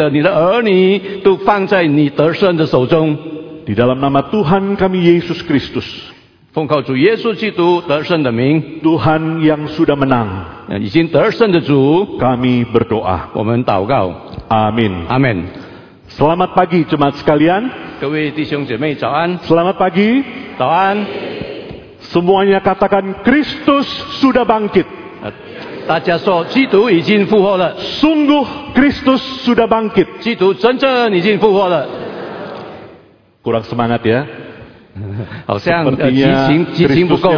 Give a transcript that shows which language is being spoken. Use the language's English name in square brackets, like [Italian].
[Chinese] 主啊，我们把你的两位仆人和你一切的你的儿女都放在你得胜的手中。 [Indonesian] Di dalam nama Tuhan kami Yesus Kristus. [Chinese] 奉靠主耶稣基督得胜的名, [Indonesian] Tuhan yang sudah menang. [Chinese] 已经得胜的主, [Indonesian] kami berdoa. [Chinese] 我们祷告, [Indonesian] Amin. Amin. Selamat pagi jemaat sekalian. [Chinese] 各位弟兄姐妹早安. [Indonesian] Selamat pagi. [Chinese] 早安. [Indonesian] Semuanya katakan Kristus sudah bangkit. [Chinese] 大家说基督已经复活了. [Indonesian] Sungguh Kristus sudah bangkit. [Chinese] 基督真正已经复活了. [Indonesian] Kurang semangat ya. Sepertinya [Chinese] 激情不够,